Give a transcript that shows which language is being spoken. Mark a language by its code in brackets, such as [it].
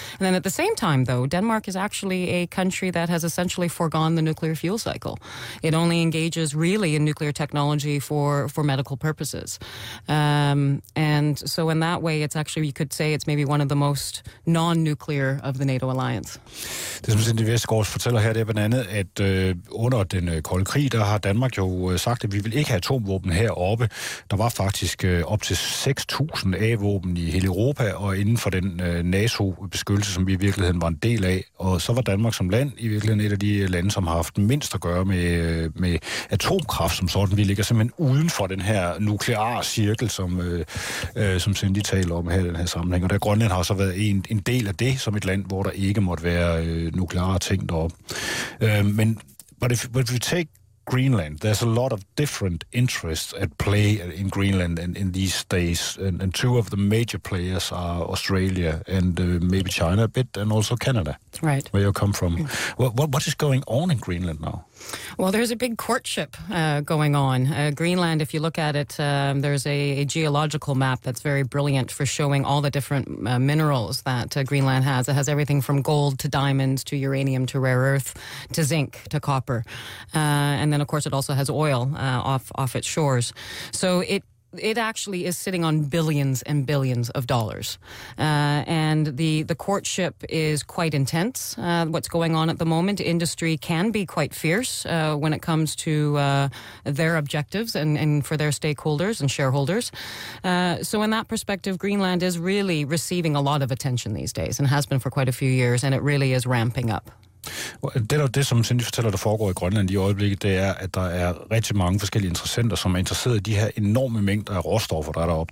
[en] And then at the same time, though, Denmark is actually a country that has essentially foregone the nuclear fuel cycle. It only engages really in nuclear technology for medical purposes. And so in that way, it's actually, you could say, it's maybe one of the most non-nuclear of the NATO alliance. [da] Det, som Cindy Vestergaard fortæller her, det er blandt andet, at under den kolde krig, der har Danmark jo sagt, at vi vil ikke have atomvåben heroppe. Der var faktisk op til 6.000 A-våben i hele Europa og inden for den NATO-beskyttelse, som vi i virkeligheden var en del af. Og så var Danmark som land i virkeligheden et af de lande, som har haft mindst at gøre med atomkraft som sådan. Vi ligger simpelthen uden for den her nuklear cirkel, som Cindy taler om her i den her sammenhæng. Og der Grønland har så været en del af det som et land, hvor der ikke måtte være nukleare ting deroppe. Men [en] if we take Greenland, there's a lot of different interests at play in Greenland and in these days, and two of the major players are Australia and maybe China a bit, and also Canada, right, where you come from. What is going on in Greenland now? Well, there's a big courtship going on. Greenland, if you look at it, there's a geological map that's very brilliant for showing all the different minerals that Greenland has. It has everything from gold to diamonds to uranium to rare earth to zinc to copper. And then, of course, it also has oil off its shores. So it actually is sitting on billions and billions of dollars. And the courtship is quite intense, what's going on at the moment. Industry can be quite fierce when it comes to their objectives and for their stakeholders and shareholders. So in that perspective, Greenland is really receiving a lot of attention these days and has been for quite a few years, and it really is ramping up. [da] Det, som Cindy fortæller, der foregår i Grønland i øjeblikket, det er, at der er rigtig mange forskellige interessenter, som er interesseret i de her enorme mængder af råstoffer, der er deroppe.